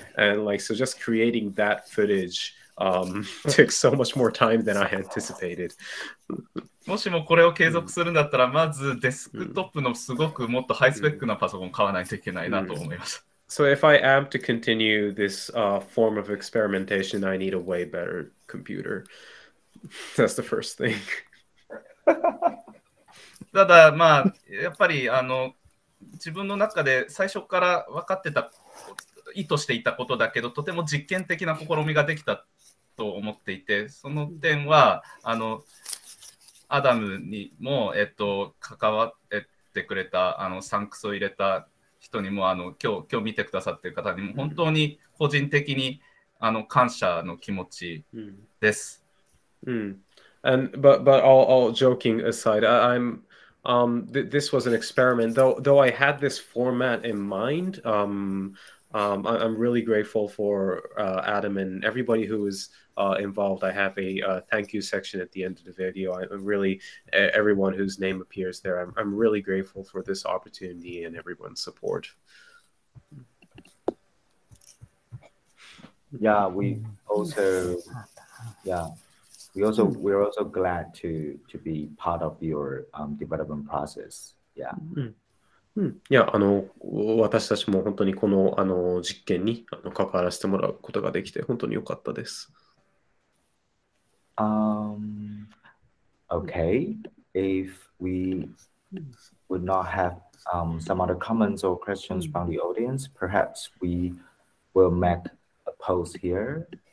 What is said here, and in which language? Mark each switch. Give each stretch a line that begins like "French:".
English: And like, so just creating that footage took so much more time than I anticipated.
Japanese: もしもこれを継続するんだったら、まずデスクトップのすごくもっとハイスペックなパソコン買わないといけないなと思います。
English: So if I am to continue this form of experimentation, I need a way better computer. That's the first thing.
Japanese: ただ、まあ、やっぱり、あの、自分の中で最初から分かってた、意図していたことだけど、とても実験的な試みができたと思っていて、その点は、あの、アダムにも、関わってくれた、あの、サンクスを入れた、人にもあの今日見てくださっている方にも本当に個人的にあの感謝の気持ちです。
English: And but all joking aside, this was an experiment. Though I had this format in mind, I'm really grateful for Adam and everybody who is involved. I have a thank you section at the end of the video. Everyone whose name appears there, I'm really grateful for this opportunity and everyone's support. Yeah, we're also glad to be part of your development process. Yeah. Mm-hmm.
Japanese: いや、あの、私たちも本当にこの、あの、実験に、あの、関わらせてもらうことができて、本当に良かったです。
English: Okay. If we would not have some other comments or questions from the audience, perhaps we will make a pause here.